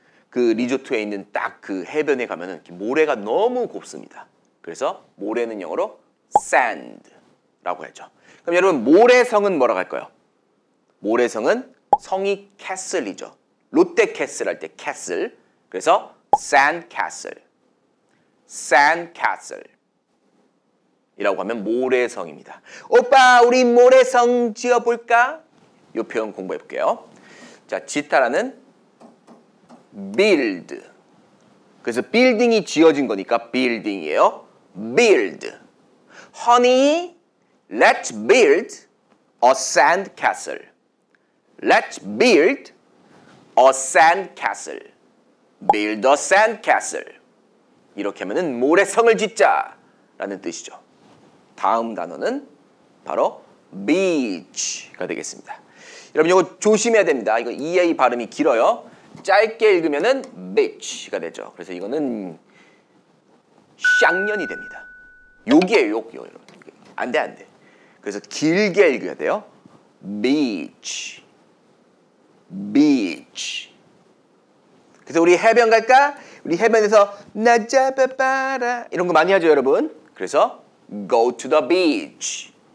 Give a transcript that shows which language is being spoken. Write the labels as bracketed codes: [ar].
[ko] 그 리조트에 있는 딱 그 해변에 가면은 모래가 너무 곱습니다. 그래서 모래는 영어로 sand라고 하죠. 그럼 여러분 모래성은 뭐라고 할까요? 모래성은 성이 캐슬이죠. 롯데 캐슬 할 때 캐슬. 그래서 [en] sand castle. sand castle. [ko] 이라고 하면 모래성입니다. 오빠, 우리 모래성 지어볼까? 이 표현 공부해 볼게요. 자, 짓다라는 build. 그래서 빌딩이 지어진 거니까 빌딩이에요. [en] build. Honey, let's build a sand castle. Let's build a sand castle. Build a sand castle. [ko] 이렇게 하면은 모래성을 짓자라는 뜻이죠. 다음 단어는 바로 beach가 되겠습니다. 여러분 이거 조심해야 됩니다. 이거 EA 발음이 길어요. 짧게 읽으면은 beach가 되죠. 그래서 이거는 샹년이 됩니다. 욕이에요, 욕이요, 여러분. 안 돼, 안 돼. 그래서 길게 읽어야 돼요. [en] beach. beach. [ko] 그래서 우리 해변 갈까? 우리 해변에서 나 잡아봐라 이런 거 많이 하죠, 여러분. 그래서 [en] go to the beach.